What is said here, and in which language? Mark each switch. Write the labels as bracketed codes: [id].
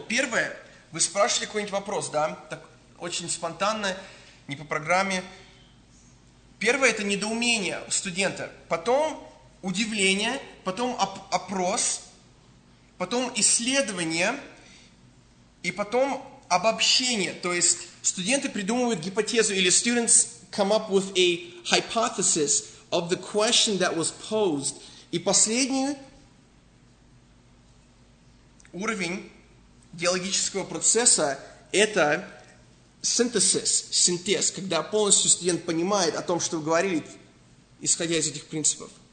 [ru] Первое, вы спрашиваете какой-нибудь вопрос, да, так очень спонтанно, не по программе. Первое – это недоумение у студента, потом удивление, потом опрос, потом исследование, и потом обобщение. То есть студенты придумывают гипотезу, или [en] students come up with a hypothesis of the question that was posed. [ru] И последний уровень диалогического процесса – это синтез, когда полностью студент понимает о том, что вы говорили, исходя из этих принципов.